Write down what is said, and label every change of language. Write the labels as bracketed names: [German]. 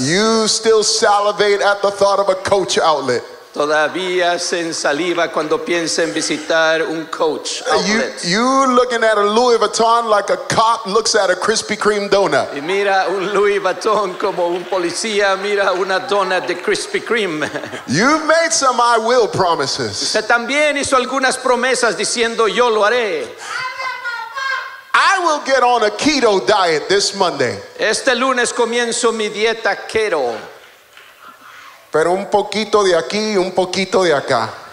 [English] You still salivate at the thought of a Coach outlet. [Spanish] Todavía se ensaliva cuando piensa en visitar un Coach outlet. [English] You looking at a Louis Vuitton like a cop looks at a Krispy Kreme donut. [Spanish] Y mira un Louis Vuitton como un policía mira una donut de Krispy Kreme. [English] You've made some I will promises. [Spanish] Usted también hizo algunas promesas diciendo yo lo haré. [English] I will get on a keto diet this Monday. [Spanish] Este lunes comienzo mi dieta keto. Pero un poquito de aquí y un poquito de acá.